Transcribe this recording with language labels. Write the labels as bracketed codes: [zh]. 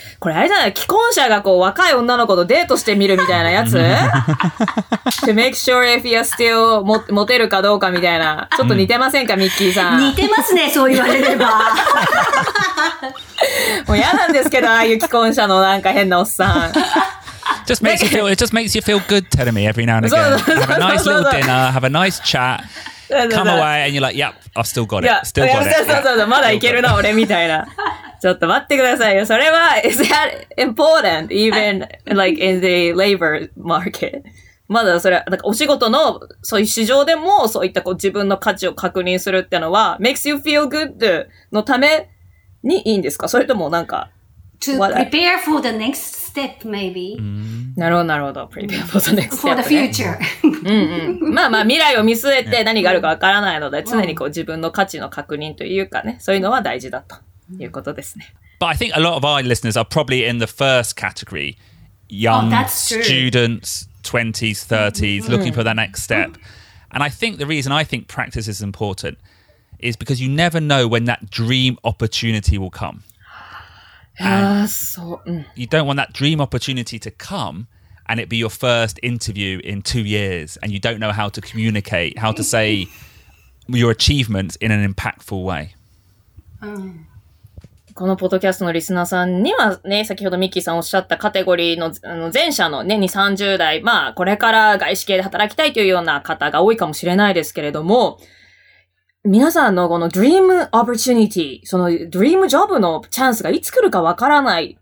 [ja] これあれじゃない、既婚者がこう若い女の子とデートしてみるみたいなやつ [en] To make sure if you're still [ja] モテるかどうかみたいな。ちょっと似てませんか、ミッキーさん。似てますね、そう言われれば。もう嫌なんですけど、ああいう既婚者のなんか変なおっさん。 [en] Just makes you feel, it just makes you feel good, telling me every now and again. Have a nice little dinner, have a nice chat. Come away and you're like, yep, I've still got it. Still got it. [ja] そうそうそう、まだいけるな、俺みたいな。ちょっと待ってくださいよ。それは、 [en] is that important, even like in the labor market? [ja] まだそれ、なんかお仕事の、そういう市場でも、そういったこう自分の価値を確認するってのは、 [en] makes you feel good [ja] のためにいいんですか？それともなんか、 [en] to prepare for the next step, maybe. [ja] なるほどなるほど。 [en] Prepare for the next step. For the future. [ja] まあまあ未来を見据えて何があるかわからないので、常にこう自分の価値の確認というかね、そういうのは大事だということですね。 [en] But I think a lot of our listeners are probably in the first category. Young students, 20s, 30s, looking for the next step. And I think the reason I think practice is important is because you never know when that dream opportunity will come. You don't want that dream opportunity to come and it be your first interview in 2 years and you don't know how to communicate, how to say your achievements in an impactful way. [ja] このポッドキャストのリスナーさんにはね、先ほどミッキーさんおっしゃったカテゴリーの、前者の年に30代、まあこれから外資系で働きたいというような方が多いかもしれないですけれども、皆さんのこのドリームオプチュニティ、そのドリームジョブのチャンスがいつ来るかわからない。